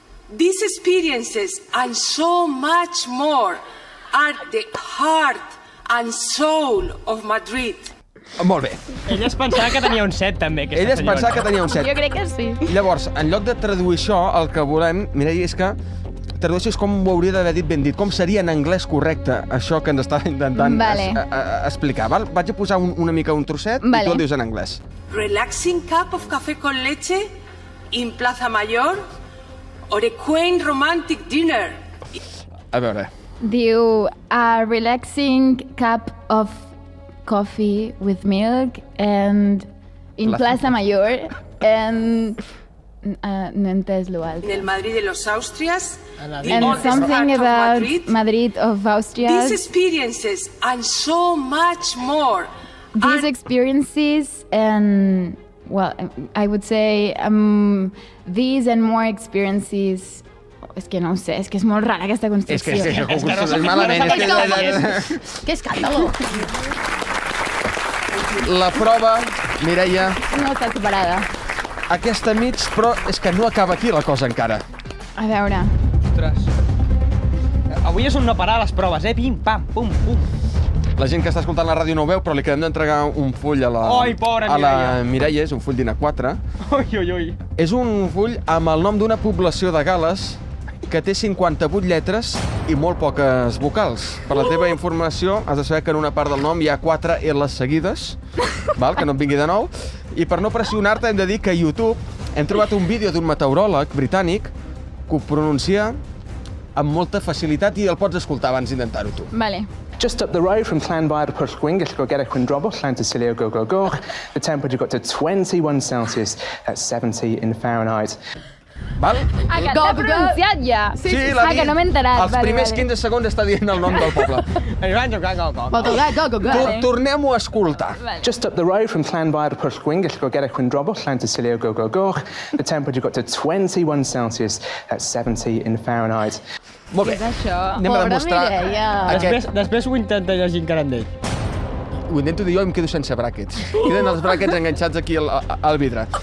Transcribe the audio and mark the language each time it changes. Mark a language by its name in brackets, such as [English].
[English] These experiences and so much more are the heart and soul of Madrid. [Catalan] Molt bé. Ella es pensava que tenia un 7, també, aquesta senyora. Ella es pensava que tenia un 7. Jo crec que sí. Llavors, en lloc de traduir això, el que volem, Mireia, és que tradueixis com ho hauria d'haver dit ben dit, com seria en anglès correcte això que ens estava intentant explicar. Val? Vaig a posar una mica un trosset i tu el dius en anglès. [English] Relaxing cup of café con leche in Plaza Mayor or a quaint romantic dinner. [Catalan] A veure. Diu [English] a relaxing cup of coffee with milk and in Plaza Mayor and... [Catalan] no entès l'altre. [Spanish] En el Madrid de los Austrias. [English] And something about Madrid of Austria. These experiences and so much more. These experiences and... Well, I would say these and more experiences... [Catalan] És que no ho sé, és que és molt rara aquesta construcció. És que és concurso, és malament. És que és escàndalo. La prova, Mireia... No està superada. Aquesta mig, però és que no acaba aquí la cosa encara. A veure... Ostres. Avui és on no parar les proves, eh? Pim, pam, pum, pum. La gent que està escoltant la ràdio no ho veu, però li quedem d'entregar un full a la... Ai, pobra Mireia. A la Mireia, és un full d'INA 4. Ai, ai, ai. És un full amb el nom d'una població de Gales que té 58 lletres i molt poques vocals. Per la teva informació, has de saber que en una part del nom hi ha 4 L's seguides, val? Que no et vingui de nou. I per no pressionar-te, hem de dir que a YouTube hem trobat un vídeo d'un meteoròleg britànic que ho pronuncia amb molta facilitat i el pots escoltar abans d'intentar-ho tu. Vale. [English] Just up the road from Llanfair to Pwllgwyng, it's got a quindrobos, Llantysilio, go, go, go. The temperature got to 21 Celsius, that's 70 in Fahrenheit. [Catalan] Val? Ah, que l'he pronunciat ja. Sí, sí, l'ha dit. Ah, que no m'he enterat. Els primers 15 segons està dient el nom del poble. Tornem-ho a escoltar. [English] Just up the road from Llanfair to Pwllgwyng, it's got a quindrobos, Llantysilio, go, go, go. The temperature got to 21 Celsius, that's 70 in Fahrenheit. [Catalan] Molt bé. Què és això? Anem a demostrar... Després ho intenta llegir encara en ell. Ho intento dir jo i em quedo sense bràquets. Queden els bràquets enganxats aquí al vidre.